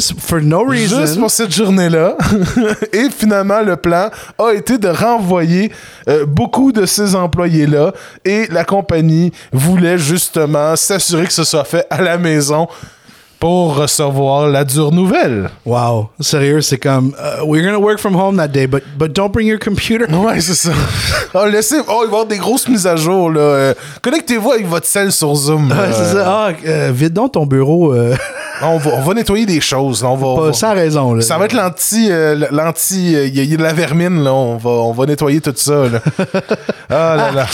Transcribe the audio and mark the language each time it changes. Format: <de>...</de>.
<fr>Juste pour cette journée-là. Et finalement, le plan a été de renvoyer beaucoup de ces employés-là. Et la compagnie voulait justement s'assurer que ce soit fait à la maison pour recevoir la dure nouvelle. Wow. Sérieux, c'est comme...</fr> <en>we're gonna work from home that day, but don't bring your computer.</en> <fr>Ouais, c'est ça. Oh, il va y avoir des grosses mises à jour, là. Connectez-vous avec votre selle sur Zoom. Vide donc ton bureau. On va nettoyer des choses. Sans raison, là. Ça va être l'anti... Il y a de la vermine, là. On va nettoyer tout ça, là. Oh là là.</fr>